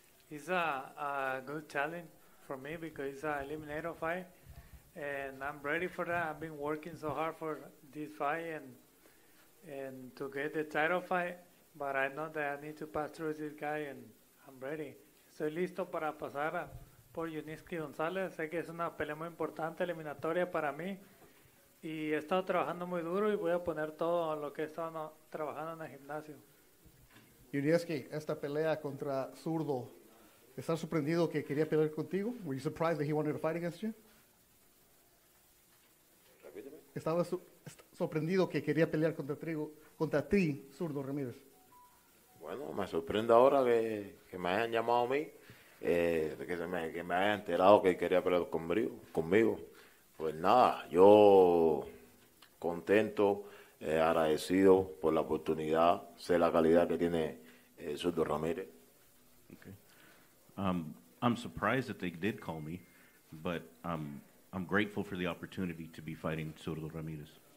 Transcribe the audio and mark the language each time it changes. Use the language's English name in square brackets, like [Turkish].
[English] It's a good challenge for me because it's an eliminator fight, and I'm ready for that. I've been working so hard for this fight and to get the title fight, but I know that I need to pass through this guy, and I'm ready. [Spanish] Soy listo para pasar a... por YUNIESKI Gonzalez, sé que es una pelea muy importante, eliminatoria para mí, y he estado trabajando muy duro y voy a poner todo lo que he estado trabajando en el gimnasio. YUNIESKI, esta pelea contra Zurdo, ¿estás sorprendido que quería pelear contigo? Were you surprised that he wanted to fight against you? ¿Estaba sorprendido que quería pelear contra ti, Zurdo Ramírez? Bueno, me sorprende ahora que me hayan llamado a mí. Que me haya enterado que quería pelear conmigo. Pues nada, yo contento, agradecido por la oportunidad, sé la calidad que tiene Zurdo Ramírez. [English] Okay. I'm surprised that they did call me, but I'm grateful for the opportunity to be fighting Zurdo Ramírez.